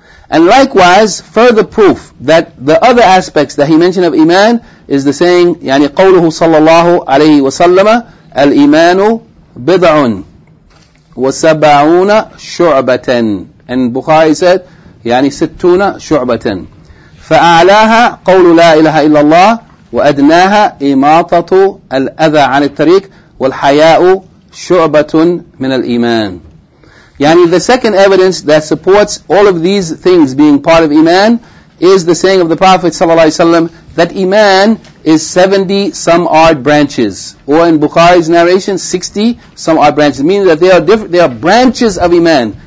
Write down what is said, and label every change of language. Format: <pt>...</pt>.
<en>And likewise, further proof that the other aspects that he mentioned of iman is the saying, yani,</en> <ar>قوله صلى الله عليه وسلم الإيمان بضع وسبعون شعبة.</ar> <en>And Bukhari said,</en> <ar>يعني ستون شعبة. فأعلاها قول لا إله إلا الله وأدناها إماطة الأذى عن الطريق والحياء شعبة من الإيمان.</ar> <en>يعني the second evidence that supports all of these things being part of iman is the saying of the Prophet</en> <ar>صلى الله عليه وسلم</ar> <en>that iman is 70 some odd branches, or in Bukhari's narration 60 some odd branches, meaning that they are branches of iman.</en>